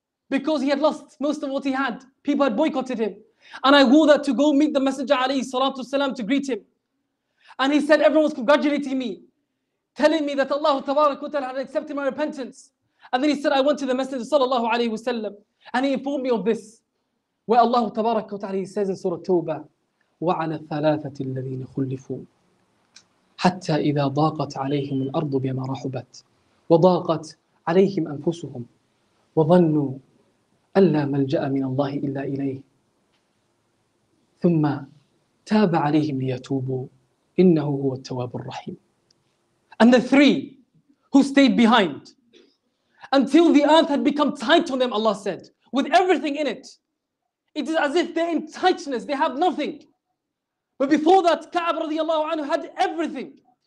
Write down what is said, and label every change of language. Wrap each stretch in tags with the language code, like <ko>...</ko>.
<en>Because he had lost most of what he had. People had boycotted him. And I wore that to go meet the Messenger alayhi salatu wasalam to greet him. And he said everyone was congratulating me, telling me that Allah tabarak wa ta'ala had accepted my repentance. And then he said, I went to the Messenger sallallahu alayhi wasallam and he informed me of this. Where Allah tabarak wa ta'ala, he says in Surah Tawbah,</en> <ar>وَعَلَى الثَّلَاثَةِ الَّذِينَ خُلِّفُوا حَتَّى إِذَا ضَاقَتْ عَلَيْهِمُ الْأَرْضُ بِمَا رَحُبَتْ وَضَاقَتْ عَلَيْهِمْ أَنفُسُهُمْ وَظَنُّوا أن لا ملجأ من الله إلا إليه ثم تاب عليهم ليتوبوا إنه هو التواب الرحيم.</ar> <en>And the three who stayed behind until the earth had become tight on them, Allah said, with everything in it. It is as if they're in tightness, they have nothing. But before that, Ka'ab radiallahu anhu had everything.</en>